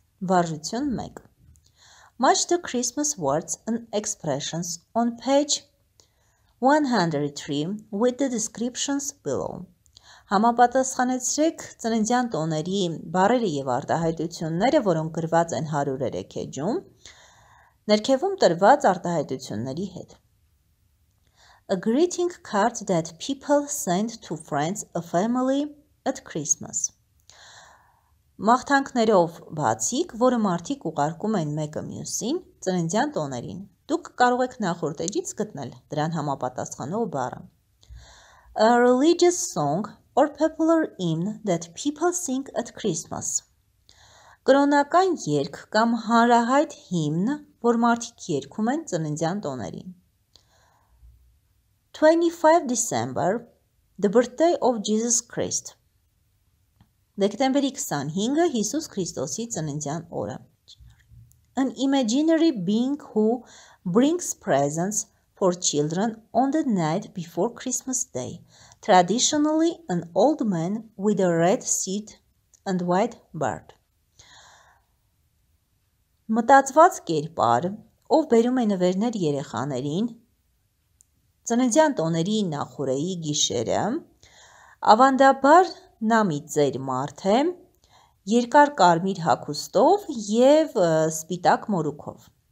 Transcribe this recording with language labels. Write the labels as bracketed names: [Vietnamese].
[English] Վարժություն 1. Match the Christmas words and expressions on page 103 with the descriptions below. [Armenian] Համապատասխանեցրեք ծննդյան տոների բառերը և արտահայտությունները, որոնք գրված են 103 էջում, Ներքևում տրված արտահայտությունների հետ. [English] A greeting card that people send to friends or family at Christmas. [Armenian] Մաղթանքներով բացիկ, որը մարդիկ ուղարկում են մեկը մյուսին, ծննդյան տոներին, դուք կարող եք նախորդ էջից գտնել դրան համապատասխանող բառը. [English] A religious song or popular hymn that people sing at Christmas. [Armenian] Կրոնական երգ կամ հանրահայտ հիմն, որ մարդիկ երգում են ծննդյան տոներին. [English] 25 December, the birthday of Jesus Christ. [Armenian] Դեկտեմբերի 25-ը Հիսուս Քրիստոսի ծննդյան օրը. [English] An imaginary being who brings presents for children on the night before Christmas Day. Traditionally, an old man with a red suit and white beard. [Armenian] Մտածված կերպար, ով բերում է նվերներ երեխաներին, ծննդյան տոների նախորեի գիշերը, ավանդաբար նա մի ձեր մարդ է, երկար կարմիր հագուստով և սպիտակ մորուքով.